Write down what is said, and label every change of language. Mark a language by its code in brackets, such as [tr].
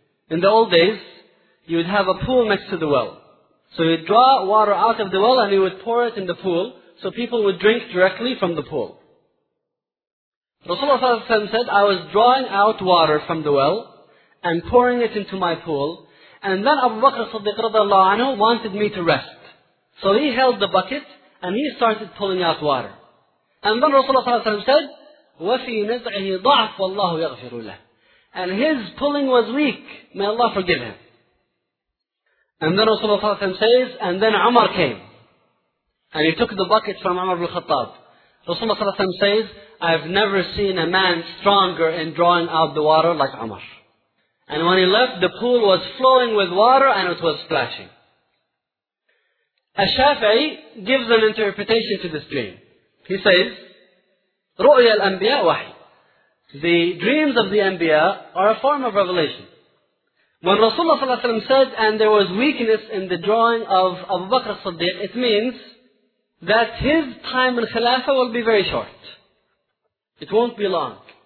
[en] In the old days, you would have a pool next to the well. So he would draw water out of the well and he would pour it in the pool so people would drink directly from the pool. Rasulullah صلى الله عليه وسلم said, I was drawing out water from the well and pouring it into my pool, and then Abu Bakr Siddiq radiallahu anhu wanted me to rest. So he held the bucket and he started pulling out water. And then Rasulullah said, [ar] وَفِي نَزْعِهِ ضَعْفُ وَاللَّهُ يَغْفِرُ لَهُ. [en] And his pulling was weak. May Allah forgive him. And then Rasulullah says, and then Umar came. And he took the bucket from Umar ibn Khattab. Rasulullah says, I've never seen a man stronger in drawing out the water like Umar. And when he left, the pool was flowing with water and it was splashing. الشافعي gives an interpretation to this dream. He says, [ar] رؤيا الأنبياء وحي. [en] The dreams of the Anbiya are a form of revelation. When Rasulullah صلى الله عليه وسلم said, and there was weakness in the drawing of Abu Bakr al-Siddiq, it means that his time in Khilafah will be very short. It won't be long.